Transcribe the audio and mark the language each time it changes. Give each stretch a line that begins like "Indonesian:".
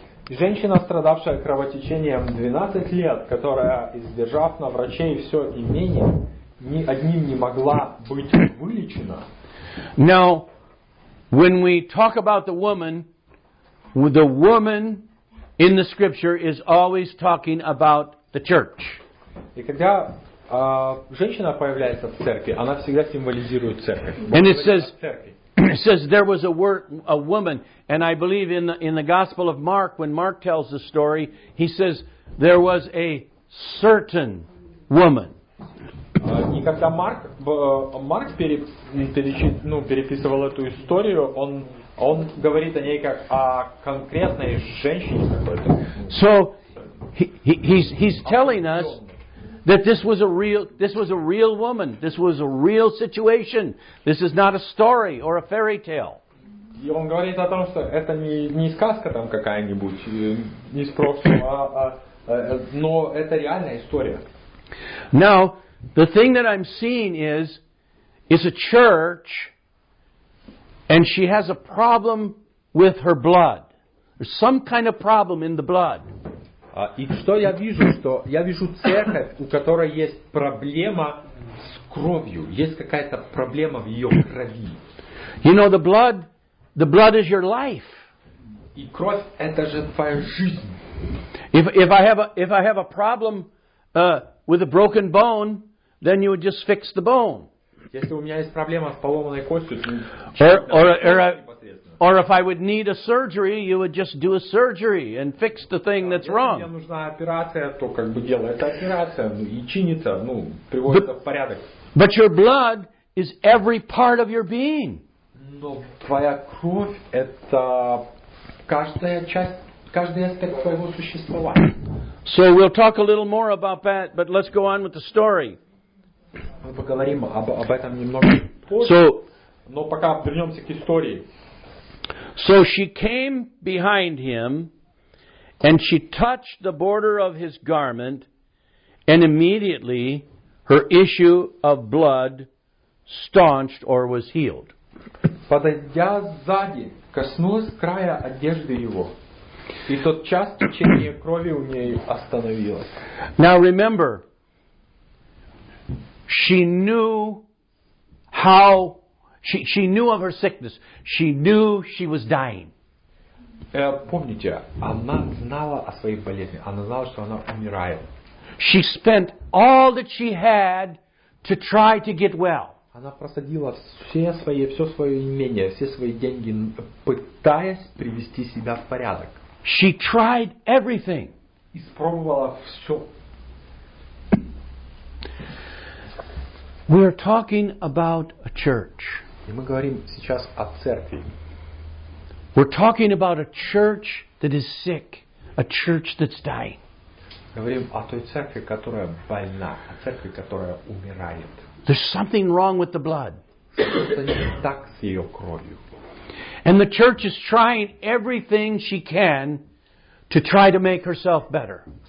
Russian: Женщина, страдавшая кровотечением 12 лет, которая, издержав на врачей все имение, ни одним не могла быть вылечена.
English: Now, when we talk about the woman in the scripture is always talking about the church.
Russian: И когда женщина появляется в церкви, она всегда символизирует церковь.
English: And it says, it says there was a woman, and I believe in the Gospel of Mark, when Mark tells the story, he says there was a certain woman.
Russian: И когда Марк переписывал эту историю, он говорит о ней как о конкретной женщине.
English: So he's telling us that this was a real woman. This was a real situation. This is not a story or a fairy tale.
Russian: И он говорит о том, что это не сказка там какая-нибудь, не из прошлого, но это реальная история.
English: Now, the thing that I'm seeing is a church, and she has a problem with her blood. There's some kind of problem in the blood.
Russian: И что я вижу, что я вижу церковь, у которой есть проблема с кровью, есть какая-то проблема в ее крови.
English: You know, the blood is your life.
Russian: И кровь это же твоя жизнь.
English: If I have a problem with a broken bone, then you would just fix the bone.
Russian: Если у меня есть проблема с поломанной костью, то
English: Or if I would need a surgery, you would just do a surgery and fix the thing that's wrong.
Russian: Если мне нужна операция, то как бы делай эту операцию и чинится, ну, приводится в порядок.
English: But your blood is every part of your being.
Russian: Но твоя кровь это каждая часть, каждый аспект твоего существования.
English: So we'll talk a little more about that, but let's go on with the story.
Russian: Мы поговорим об этом немного позже. Но пока вернемся к истории.
English: So she came behind him, and she touched the border of his garment, and immediately her issue of blood staunched or was healed.
Russian: Подойдя сзади, коснулась края одежды его, и тот час течение крови у нее остановилось.
English: Now remember, she knew how. She knew of her sickness. She knew she was dying.
Russian: Помните, она знала о своей болезни. Она знала, что она умирает.
English: She spent all that she had to try to get well.
Russian: Она просадила все свое имение, все свои деньги, пытаясь привести себя в порядок.
English: She tried everything.
Russian: Испробовала все.
English: We are talking about a church.
Russian: И мы говорим сейчас о церкви.
English: We're talking about a church that is sick, a church that's dying.
Russian: Говорим о той церкви, которая больна, о церкви, которая умирает.
English: There's something wrong with the blood.
Russian: Что-то не так с ее кровью.
English: And the church is trying everything she can to try to make herself better.